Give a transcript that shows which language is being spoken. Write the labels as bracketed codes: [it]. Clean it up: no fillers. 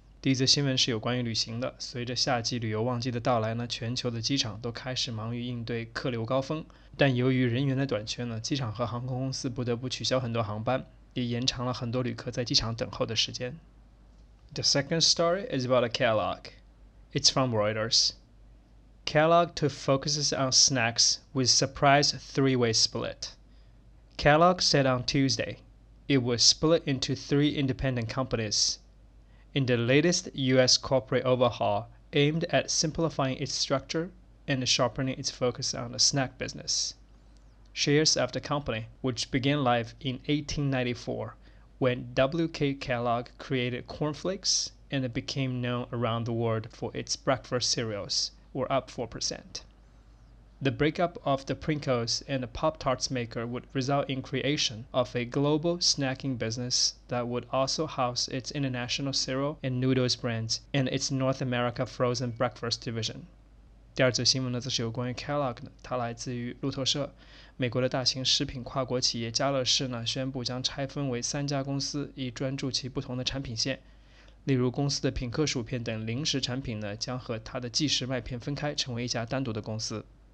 [zh] 第一则新闻是有关于旅行的。随着夏季旅游旺季的到来呢，全球的机场都开始忙于应对客流高峰。但由于人员的短缺呢，机场和航空公司不得不取消很多航班，也延长了很多旅客在机场等候的时间。 [en] The second story is about a Kellogg. It's from Reuters. Kellogg took focuses on snacks with surprise three-way split. Kellogg said on Tuesday, it was split into three independent companies. In the latest U.S. corporate overhaul aimed at simplifying its structure and sharpening its focus on the snack business. Shares of the company, which began life in 1894,when W.K. Kellogg created Corn Flakes and it became known around the world for its breakfast cereals, were up 4%. The breakup of the Pringles and the Pop-Tarts maker would result in creation of a global snacking business that would also house its international cereal and noodles brands and its North America frozen breakfast division. [zh] 第二则新闻呢，则是有关于 Kellogg 的，它来自于路透社。美国的大型食品跨国企业加乐士呢，宣布将拆分为三家公司，以专注其不同的产品线。例如，公司的品客薯片等零食产品呢，将和它的即食麦片分开，成为一家单独的公司。